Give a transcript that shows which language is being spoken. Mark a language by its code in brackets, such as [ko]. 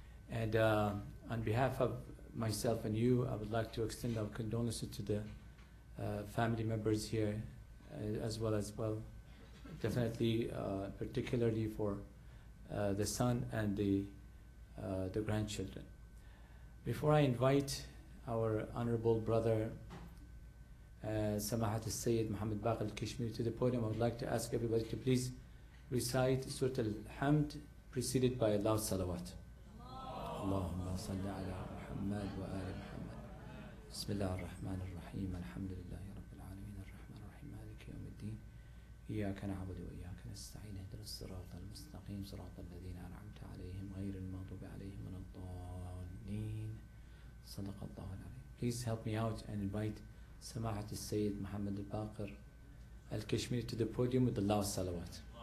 [en] And on behalf of myself and you, I would like to extend our condolences to the family members here, as well, definitely, particularly for the son and the grandchildren. Before I invite our honorable brother, Samahat al-Sayyid Muhammad Baqir al-Kashmiri to the podium, I would like to ask everybody to please recite Surah al-Hamd, preceded by loud salawat. [ar] اللهم صل على محمد وآل محمد. بسم الله الرحمن الرحيم. الحمد لله رب العالمين. الرحمن الرحيم. مالك يوم الدين. إياك نعبد وإياك نستعين. اهدنا الصراط المستقيم. صراط الذين أنعمت عليهم غير المغضوب عليهم ولا الضالين. صدق الله العظيم. [en] Please help me out and invite سماحة السيد محمد الباقر الكشميري to the podium with the last salawat.